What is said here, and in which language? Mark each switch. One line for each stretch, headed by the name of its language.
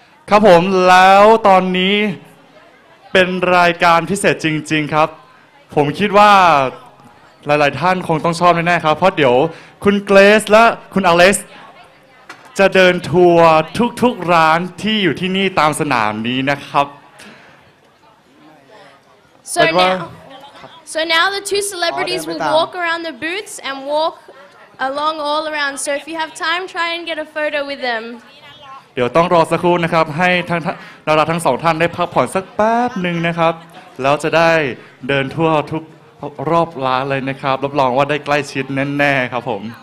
Thai: ครับผมแล้วตอนนี้เป็นรายการพิเศษจริงๆครับผมคิดว่าหลายๆท่านคงต้องชอบแน่ๆครับเพราะเดี๋ยวคุณเกรซและคุณอเล็กซ์จะเดินทัวร์ทุกๆร้านที่อยู่ที่นี่ตามสนามนี้นะครับ
English: So now the two celebrities will walk around the booths and walk along all around. So if you have time, try and get a photo with them.
Thai: เดี๋ยวต้องรอสักครู่นะครับให้ทั้งดาราทั้งสองท่านได้พักผ่อนสักแป๊บนึงนะครับแล้วจะได้เดินทั่วทุกรอบร้านเลยนะครับรับรองว่าได้ใกล้ชิดแน่ๆครับผม